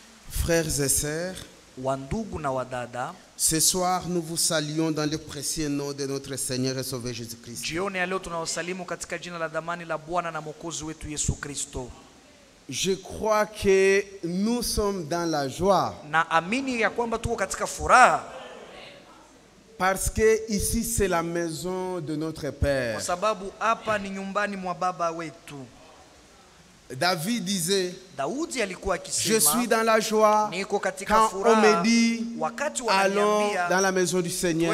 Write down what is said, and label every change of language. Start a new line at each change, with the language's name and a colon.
French: Frères et sœurs,
Swahili: Wandugu na wadada,
French: ce soir nous vous saluons dans le précieux nom de notre Seigneur et Sauveur Jésus-Christ.
Swahili: Jioni ya leo tunawasalimu katika jina la damani la Bwana na Mwokozi wetu Yesu Kristo.
French: Je crois que nous sommes dans la joie.
Swahili: Na amini ya kwamba tuko katika furaha.
French: Parce que ici c'est la maison de notre Père.
Swahili: Kwa sababu hapa ni nyumbani mwa baba wetu.
French: David disait,
Swahili: Daoudi alikuwa akisema,
French: je suis dans la joie
Swahili: niko katika
French: quand
Swahili: furaha,
French: on me dit,
Swahili: wakati
French: allons dans la maison du Seigneur.